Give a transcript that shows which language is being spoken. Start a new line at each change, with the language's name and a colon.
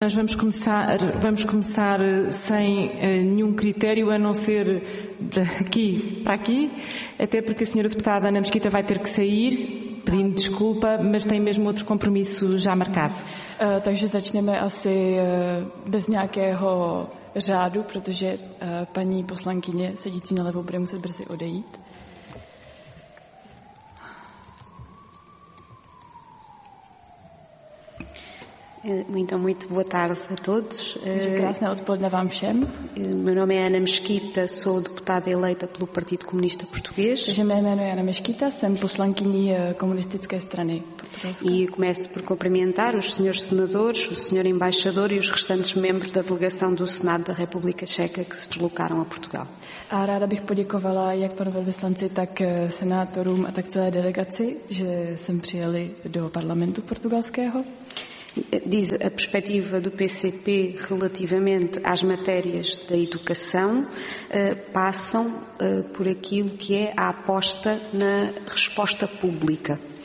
Portuguese: Nós vamos começar sem nenhum critério, a não ser daqui para aqui, até porque a senhora deputada Ana Mesquita vai ter que sair, pedindo desculpa, mas tem mesmo outro compromisso já marcado.
Czech: Takže začneme asi bez nějakého řádu, protože paní poslankyně sedící na levo bude muset brzy odejít.
Portuguese: Muito boa tarde a todos.
Czech: Krásné odpoledne vám všem.
Portuguese: Meu nome é Ana Mesquita, sou deputada eleita pelo Partido Comunista Português.
Czech: Takže mé jméno je Ana Mesquita, jsem poslankyní komunistické strany.
Portuguese: E começo por cumprimentar os senhores senadores, o senhor embaixador e os restantes membros da delegação do Senado da República Checa que se deslocaram a Portugal.
Czech: A ráda bych poděkovala jak panu velvyslanci, tak senátorům a tak celé delegaci, že sem přijeli do parlamentu portugalského.
Portuguese: Diz a perspectiva do PCP relativamente às matérias da educação passam por aquilo que é a aposta na resposta pública.